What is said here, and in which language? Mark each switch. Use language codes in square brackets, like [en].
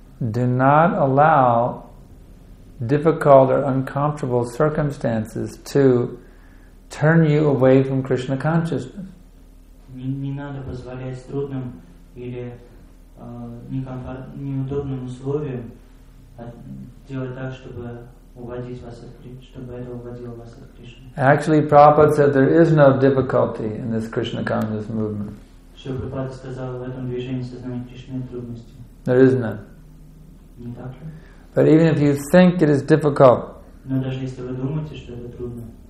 [en] Do not allow difficult or uncomfortable circumstances to turn you away from Krishna consciousness. [ru] Не надо позволять трудным или неудобным условием делать так, чтобы это уводило вас от Кришны. [en] Actually, Prabhupada said there is no difficulty in this Krishna consciousness movement. [ru] Что Прабхупада сказал, в этом движении сознания Кришны нет трудностей. [en] There is none. [ru] Не так ли? [en] But even if you think it is difficult, [ru] но даже если вы думаете, что это трудно,